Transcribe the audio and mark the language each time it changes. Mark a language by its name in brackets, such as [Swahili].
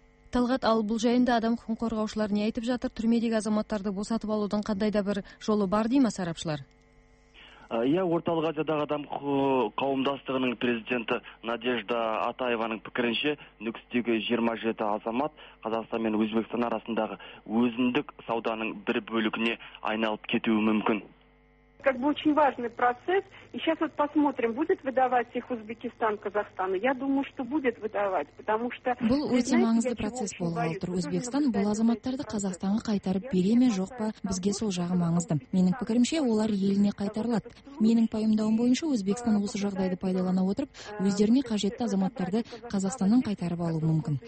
[Kazakh] Талғат, ал бұл жайында адам құқын қорғаушылар не айтып жатыр? Түрмедегі азаматтарды босатып алудың қандай да бір жолы бар, дей ма сарапшылар? Орталық Азиядағы адам қауымдастығының президенті Надежда Атаеваның пікірінше, Нүкістегі 27 азамат Қазақстан мен Өзбекстан арасындағы өзіндік сауданың бір бөлігіне айналып кетуі мүмкін. [Russian] Как бы очень важный процесс. И сейчас вот посмотрим, будет выдавать их Узбекистан Казахстану. Я думаю, что будет выдавать, потому что [Kazakh] бұл өте маңызды процесс болғалы тұр. Өзбекстан бұл азаматтарды Қазақстанға қайтарып бере ме, жоқ па, бізге сол жағы маңызды. Менің пікірімше, олар еліне қайтарылады. Менің пайымдауым бойынша Өзбекстан осы жағдайды пайдалана отырып, өздеріне қажетті азаматтарды Қазақстаннан қайтарып алуы мүмкін.